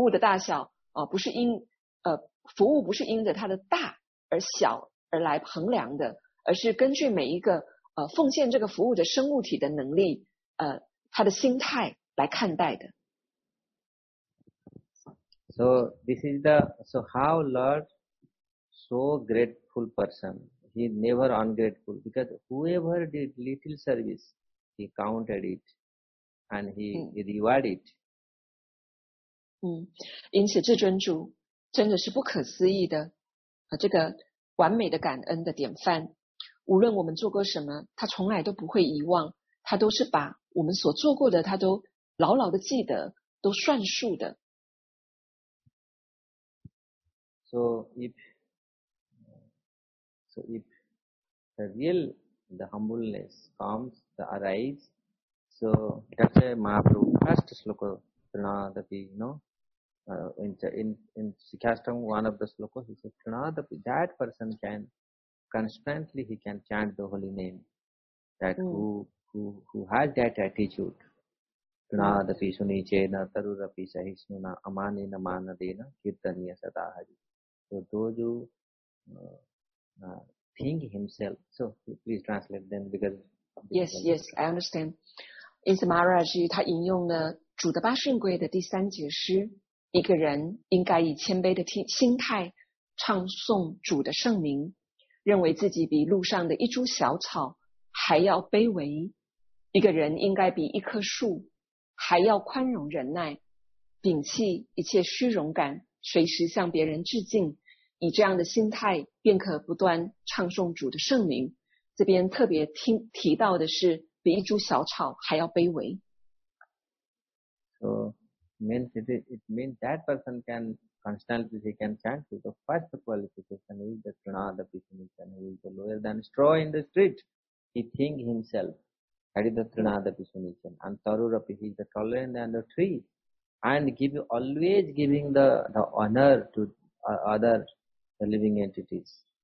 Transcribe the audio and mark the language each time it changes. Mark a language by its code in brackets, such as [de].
[zh] 但是至尊主他就呵斥了这个哈努曼，他说你怎么可以这样子瞧不起这个小松鼠呢？其实所有的生物体都根据他们不同的能力来做服务，虽然小松鼠它那么小，它所能够做的服务也是那么的微不足道，可是对它来说，它却是倾尽它的所能啊，所以服务的大小不是因 服务不是因着他的大而小而来衡量的，而是根据每一个奉献这个服务的生物体的能力，他的心态来看待的。 [en] So this is the so how Lord so grateful person, he never ungrateful, because whoever did little service, he counted it and he reward it. [zh] 因此至尊主 真的是不可思议的，这个完美的感恩的典范。无论我们做过什么，他从来都不会遗忘，他都是把我们所做过的，他都牢牢的记得，都算数的。 [en] So if the real the humbleness comes, the arise, so that's a Mahaprabhu first sloka, in Sikhastam, one of the slokas, he says, Pranadapi, that person can, constantly he can chant the holy name. That who has that attitude, [sa] Pranadapi sunichena, tarurapi sahishnuna, amane na manadena, kirtaniya sadahari. [en] So those who think himself, so please translate them because... Yes, I understand. In Maharaji, he [zh] 引用了主的八圣规的第三节诗, 一个人应该以谦卑的心态唱诵主的圣名，认为自己比路上的一株小草还要卑微。一个人应该比一棵树还要宽容忍耐，摒弃一切虚荣感，随时向别人致敬。以这样的心态便可不断唱诵主的圣名。这边特别提到的是比一株小草还要卑微。 [en] It means that person can constantly he can chant. So the first qualification is the Trinadapi Sunichena, who is the lower than straw in the street. He think himself. That is the Trinadapi Sunichena. And Tarurapi, he is the taller than the tree. And always giving the honor to other living entities.